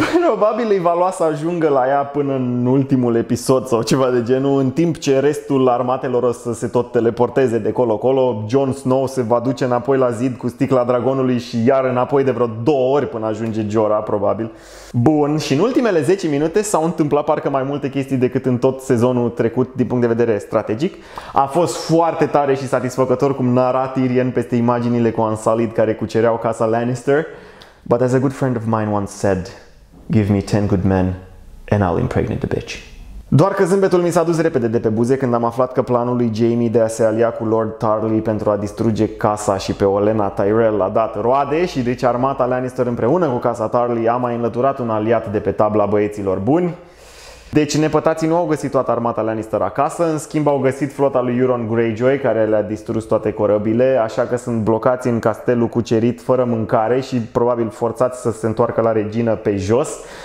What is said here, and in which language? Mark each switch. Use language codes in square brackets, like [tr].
[ro] Probabil îi va lua să ajungă la ea până în ultimul episod sau ceva de genul, în timp ce restul armatelor o să se tot teleporteze de colo-colo, Jon Snow se va duce înapoi la zid cu sticla dragonului și iar înapoi de vreo 2 ori până ajunge Jorah, probabil. Bun, și în ultimele 10 minute s-au întâmplat parcă mai multe chestii decât în tot sezonul trecut din punct de vedere strategic. A fost foarte tare și satisfăcător cum nara Tyrion peste imaginile cu Unsullied care cucereau casa Lannister. [en] But as a good friend of mine once said, give me 10 good men and I'll impregnate the bitch. [ro] Doar că zâmbetul mi s-a dus repede de pe buze când am aflat că planul lui Jaime de a se alia cu Lord Tarly pentru a distruge casa și pe Olenna Tyrell a dat roade și deci armata Lannister împreună cu casa Tarly a mai înlăturat un aliat de pe tabla băieților buni. Deci nepătații nu au găsit toată armata Lannister acasă, în schimb au găsit flota lui Euron Greyjoy care le-a distrus toate corăbile, așa că sunt blocați în castelul cucerit fără mâncare și probabil forțați să se întoarcă la regină pe jos.